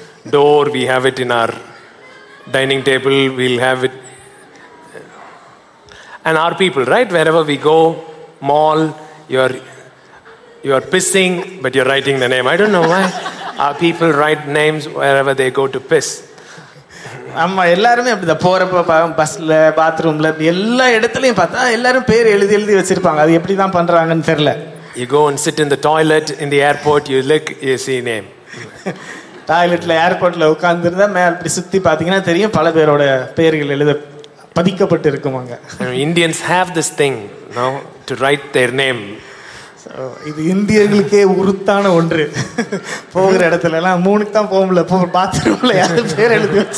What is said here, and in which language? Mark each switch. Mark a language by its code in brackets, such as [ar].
[en] Door, we have it in our dining table, we'll have it, and our people, right, wherever we go, mall, you're pissing but you're writing the name. I don't know why our people write names wherever they go to piss. [ta] அம்மா எல்லாரும் அப்படி போறப்ப பஸ்ல பாத்ரூம்ல எல்லா இடத்துலயும் பார்த்தா எல்லாரும் பேர் எழுதி எழுதி வச்சிருப்பாங்க. அது எப்படி தான் பண்றாங்கன்னு தெரியல. [en] You go and sit in the toilet in the airport, you look, you see name. [ta] டாய்லெட்டில் ஏர்போர்ட்டில் உட்காந்துருந்தா மேல் அப்படி சுற்றி பார்த்தீங்கன்னா தெரியும் பல பேரோட பெயர்கள் எழுத பதிக்கப்பட்டு இருக்கும் அங்கே. [en] Indians have this thing no to write their name. [ta] So இது இந்தியர்களுக்கே உறுத்தான ஒன்று. போகிற இடத்துல எல்லாம் மூணுக்கு தான் போக முடியல, போகிற பாத்ரூமில் யாரும் பேர் எழுதி